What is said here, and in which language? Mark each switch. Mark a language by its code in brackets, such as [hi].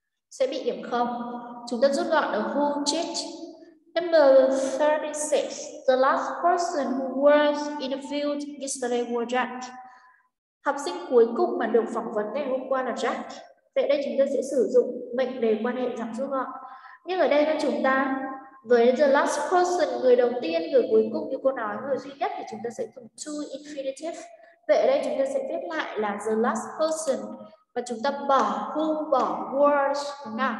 [vi] Sẽ bị điểm 0. Chúng ta rút gọn ở who cheat. [en] Number 36. The last person who was interviewed yesterday was Jack. [vi] Học sinh cuối cùng mà được phỏng vấn ngày hôm qua là Jack. Vậy đây chúng ta sẽ sử dụng mệnh đề quan hệ dạng rút gọn. Nhưng ở đây chúng ta với [en] the last person, [vi] người đầu tiên, người cuối cùng như cô nói, người duy nhất, thì chúng ta sẽ dùng to infinitive. Vậy ở đây chúng ta sẽ viết lại là [en] the last person. [vi] Và chúng ta bỏ who, bỏ was, đúng không?